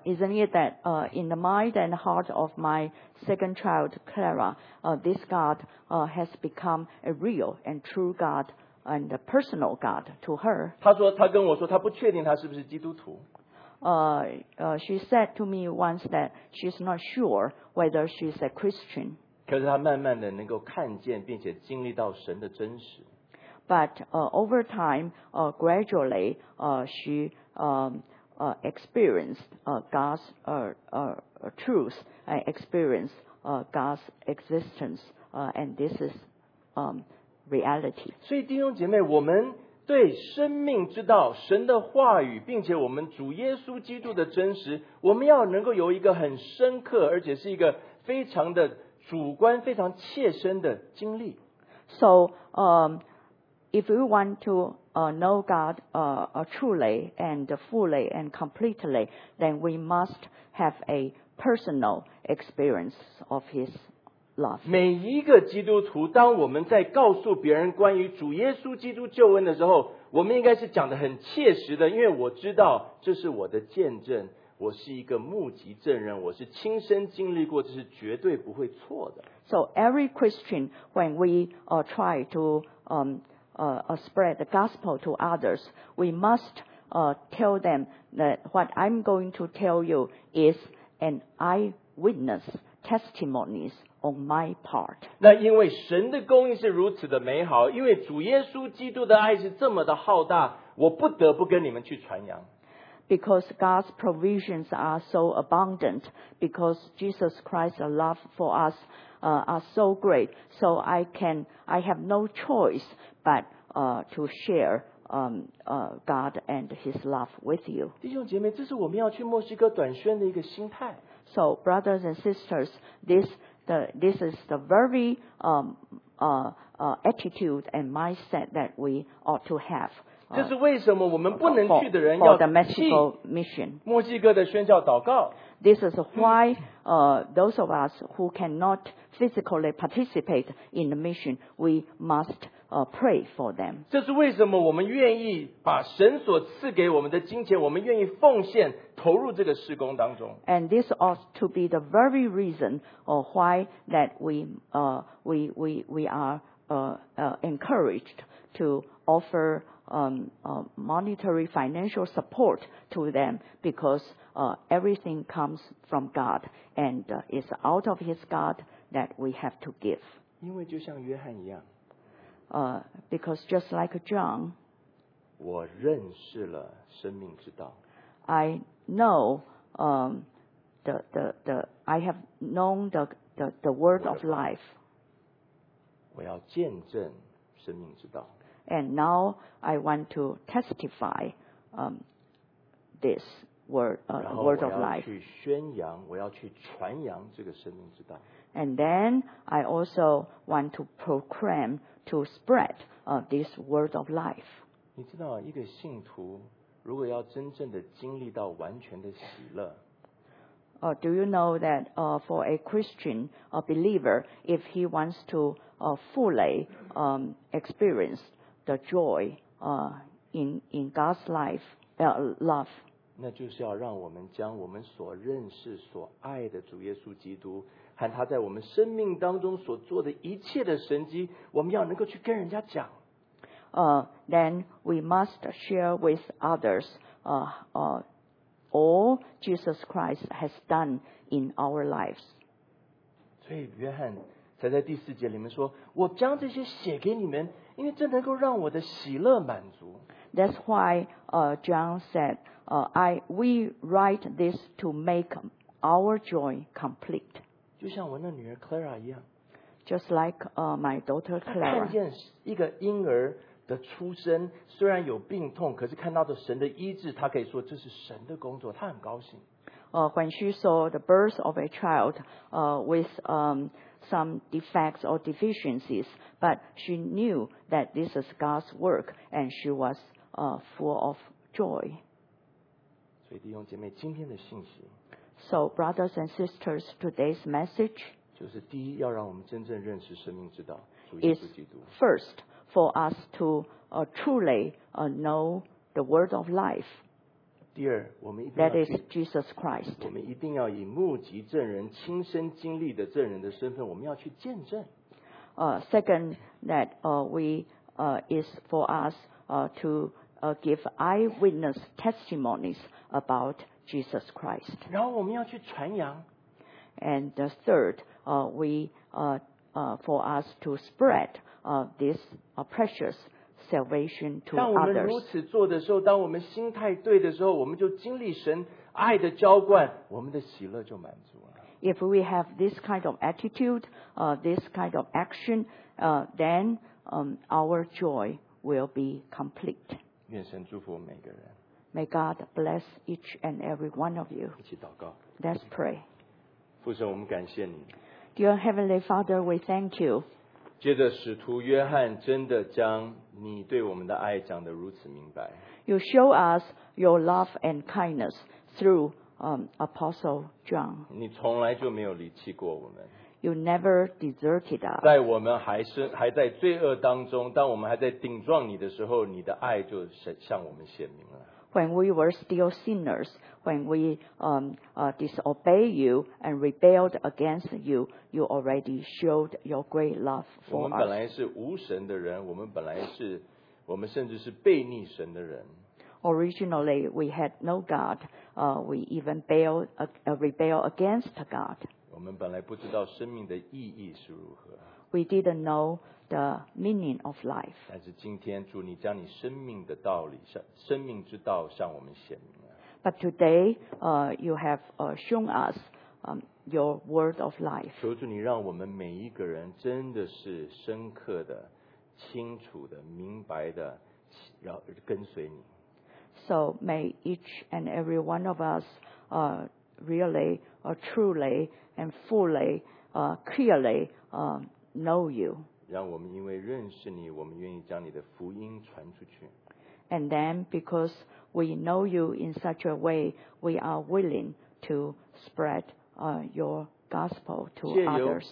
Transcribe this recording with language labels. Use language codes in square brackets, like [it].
[en] Isn't it that in the mind and heart of my second child, Clara, this God has become a real and true God and a personal God to her? [zh] 她说，她跟我说，她不确定她是不是基督徒。 [en] She said to me once that she's not sure whether she's a Christian. [zh] 可是她慢慢的能够看见并且经历到神的真实。 [en] But over time, gradually, she experienced God's truth, experienced God's existence, and this is reality. [zh] 所以弟兄姐妹，我们对生命之道、神的话语，并且我们主耶稣基督的真实，我们要能够有一个很深刻，而且是一个非常的主观、非常切身的经历。 [en] So, if you want to know God truly and fully and completely, then we must have a personal experience of His love. [zh] 每一个基督徒，当我们在告诉别人关于主耶稣基督救恩的时候，我们应该是讲得很切实的，因为我知道这是我的见证，我是一个目击证人，我是亲身经历过，这是绝对不会错的。 [en] So every Christian, when we try to spread the gospel to others, we must tell them that what I'm going to tell you is an eyewitness testimonies on my part. [zh] 那因为神的供应是如此的美好，因为主耶稣基督的爱是这么的浩大，我不得不跟你们去传扬。 [en] Because God's provisions are so abundant, because Jesus Christ's love for us are so great, so I have no choice but to share God and His love with you. [zh] 弟兄姐妹，这是我们要去墨西哥短宣的一个心态。 [en] So brothers and sisters, this is the very attitude and mindset that we ought to have. [zh] 这是为什么我们不能去的人要替 [en] the Mexico mission. [zh] 墨西哥的宣教祷告。 [en] This is why those of us who cannot physically participate in the mission, we must pray for them. [zh] 这是为什么我们愿意把神所赐给我们的金钱，我们愿意奉献投入这个事工当中。 [en] And this ought to be the very reason why that we are encouraged to offer monetary financial support to them, because everything comes from God and it's out of His God that we have to give. [zh] 因为就像约翰一样。 [en] Because just like John, [zh] 我认识了生命之道。 [en] I know I have known the word of life. [zh] 我要见证生命之道。 [en] And now I want to testify this word of life. [zh] 然后我要去宣扬，我要去传扬这个生命之道。 [en] And then I also want to proclaim to spread this word of life. [zh] 你知道，一个信徒如果要真正的经历到完全的喜乐。 [en] Do you know that for a Christian, a believer, if he wants to fully experience the joy in God's life, love. [zh] 那就是要让我们将我们所认识、所爱的主耶稣基督和他在我们生命当中所做的一切的神迹，我们要能够去跟人家讲。 [en] Then we must share with others all Jesus Christ has done in our lives. [zh] 所以约翰才在第四节里面说，我将这些写给你们，因为这能够让我的喜乐满足。 [en] That's why John said, we write this to make our joy complete. [zh] 就像我那女儿 Clara 一样。 [en] Just like my daughter Clara. [zh] 看见一个婴儿的出生，虽然有病痛，可是看到的神的医治，她可以说这是神的工作，她很高兴。 [en] When she saw the birth of a child with some defects or deficiencies, but she knew that this is God's work, and she was full of joy. [zh] 所以弟兄姐妹，今天的信息。 [en] So brothers and sisters, today's message. [zh] 就是第一，要让我们真正认识生命之道，主耶稣基督。 [en] First, for us to truly know the word of life. [zh] 第二，我们一定要 [en] That is Jesus Christ. [zh] 我们一定要以目击证人、亲身经历的证人的身份，我们要去见证。 [en] Second, that is for us to give eyewitness testimonies about Jesus Christ. [zh] 然后我们要去传扬。 [en] And the third, for us to spread this precious. Salvation to others. [zh] 当我们如此做的时候，当我们心态对的时候，我们就经历神爱的浇灌，我们的喜乐就满足了。 [en] If we have this kind of attitude, this kind of action, then our joy will be complete. [zh] 愿神祝福每个人。 [en] May God bless each and every one of you. [zh] 一起祷告。 [en] Let's pray. [zh] 父神，我们感谢你。 [en] Dear Heavenly Father, we thank you. [zh] 借着使徒约翰，真的将你对我们的爱讲得如此明白。 [en] You show us your love and kindness through Apostle John. [zh] 你从来就没有离弃过我们。 [en] You never deserted us. [zh] 在我们还在罪恶当中，当我们还在顶撞你的时候，你的爱就向我们显明了。 [en] When we were still sinners, when we disobey you and rebelled against you, you already showed your great love for us. [zh] 我们本来是无神的人，我们本来是，我们甚至是背逆神的人。 [en] Originally, we had no God. We even rebelled against God. [zh] 我们本来不知道生命的意义是如何。 [en] We didn't know the meaning of life. [zh] 但是今天主你将你生命的道理生命之道向我们显明了。 [en] But today, you have shown us your word of life. [zh] 求主你让我们每一个人真的是深刻的、清楚的、明白的，要跟随你。 [en] So may each and every one of us really, truly, and fully, clearly, know you. [zh] 让我们因为认识你，我们愿意将你的福音传出去。 [en] And then, because we know you in such a way, we are willing to spread your gospel to others.